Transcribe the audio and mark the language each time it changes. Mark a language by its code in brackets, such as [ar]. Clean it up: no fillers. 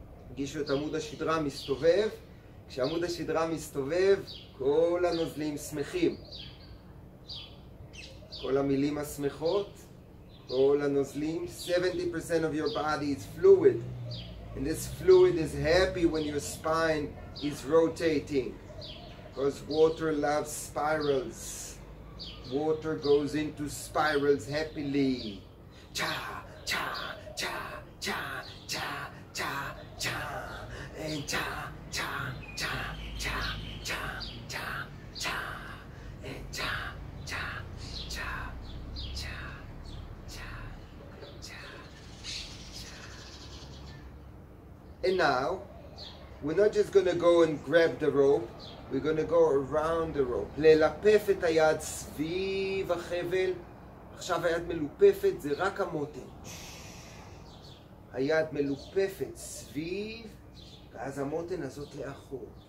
[he] הגישו את עמוד השדרה מסתובב. כשעמוד השדרה מסתובב, כל הנוזלים שמחים. כל המילים השמחות, כל הנוזלים. [en] 70% of your body is fluid. And this fluid is happy when your spine is rotating. Because water loves spirals. Water goes into spirals happily. Cha, cha, cha, cha, cha. in cha cha cha cha cha cha cha in cha cha cha cha cha cha cha. And now we're not just going to go and grab the rope, we're going to go around the rope. [he] ללפף את היד סביב החבל. עכשיו היד מלופפת, זה רק המותן. היד מלופפת סביב, ואז המותן הזאת לאחור.